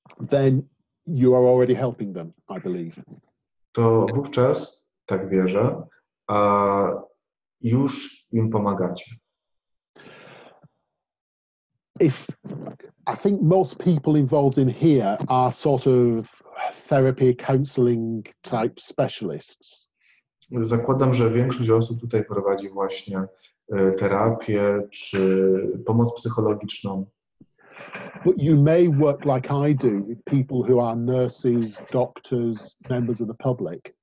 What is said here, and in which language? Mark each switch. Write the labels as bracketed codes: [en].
[en] then you are already helping them, I believe. [pl] To wówczas, tak wierzę, już im pomagacie. [en] If I think most people involved in here are sort of therapy counseling type specialists. [pl] Zakładam, że większość osób tutaj prowadzi właśnie terapię czy pomoc psychologiczną. [en] But you may work like I do with people who are nurses, doctors, members of the public.